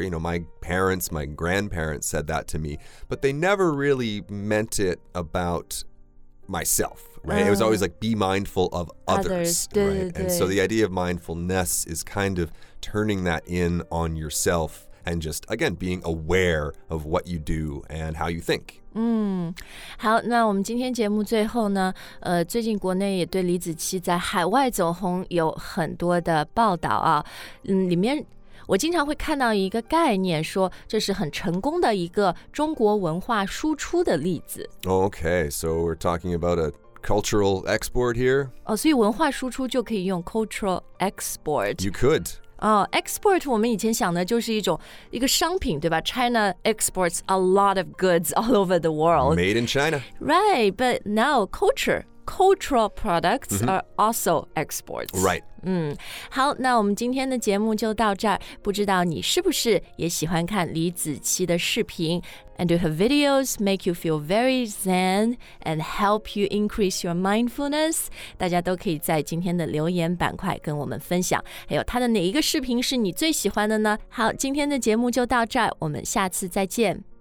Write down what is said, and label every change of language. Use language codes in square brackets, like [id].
[en] You know, my parents, my grandparents said that to me, but they never really meant it about myself, right? It was always like, be mindful of others, right? And so the idea of mindfulness is kind of turning that in on yourself and just, again, being aware of what you do and how you think. [zh] 好，那我们今天节目最后呢，最近国内也对李子柒在海外走红有很多的报道啊，里面我经常会看到一个概念，说这是很成功的一个中国文化输出的例子。 [en] Okay, so we're talking about a cultural export here. [zh] 哦，所以文化输出就可以用 [en] cultural export. You could. [zh] Export 我们以前想的就是一个商品，对吧？ [en] China exports a lot of goods all over the world. Made in China. Right, but now cultural products are also exports. Right. [zh] 好，那我们今天的节目就到这儿。不知道你是不是也喜欢看李子柒的视频？ [en] And do her videos make you feel very zen and help you increase your mindfulness? [zh] 大家都可以在今天的留言板块跟我们分享，还有她的哪一个视频是你最喜欢的呢？好，今天的节目就到这儿，我们下次再见。